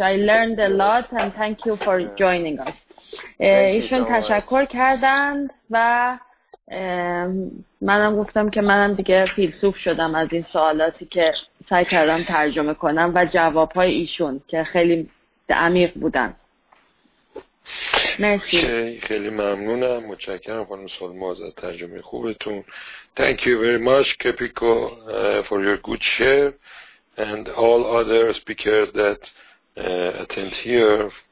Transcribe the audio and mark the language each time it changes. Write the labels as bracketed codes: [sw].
[en] I learned a lot and thank you for joining us. [fa] ایشون تشکر کردند و منم گفتم که منم دیگه فیلسوف شدم از این سوالاتی که سعی کردم ترجمه کنم و جوابهای ایشون که خیلی عمیق بودن. مرسی. خیلی ممنونم. متشکرم خانم سلماز از ترجمه خوبتون. [en] Thank you very much Kepiko for your good share and all other speakers that attend here.